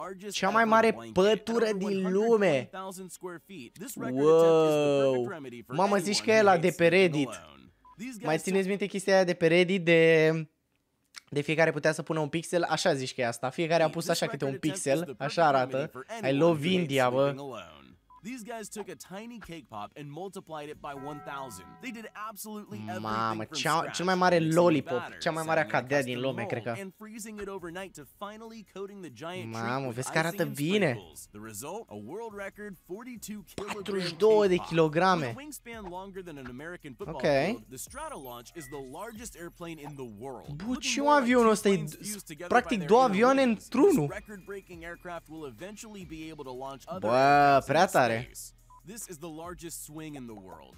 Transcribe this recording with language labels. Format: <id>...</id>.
<ro>Cea mai mare pătură din lume. Wow. Mamă, zici că e la de pe Reddit. Mai țineți minte chestia aia de pe Reddit de fiecare putea să pună un pixel, așa zici că e asta. Fiecare a pus așa câte un pixel, așa arată.</ro> <en>I love India, bă. These guys took a tiny cake pop and multiplied it by 1000. They did absolutely everything.</en> <ro>Mamă, cel mai mare lollipop, cea mai mare cadea din lume, cred că.</ro> <en>And freezing it overnight to finally coating the giant treat.</en> <ro>Mamă, vezi că arată bine.</ro> <en>The result, a world record 42</en> <ro>de kilograme.</ro> <en>Wingspan longer than an American football field. The Strata launch is the largest airplane in the world.</en> <ro>Buci, un avion ăsta e practic două avioane într-unul.</ro> <en>Record-breaking aircraft will eventually be able to launch other. This is the largest swing in the world.</en>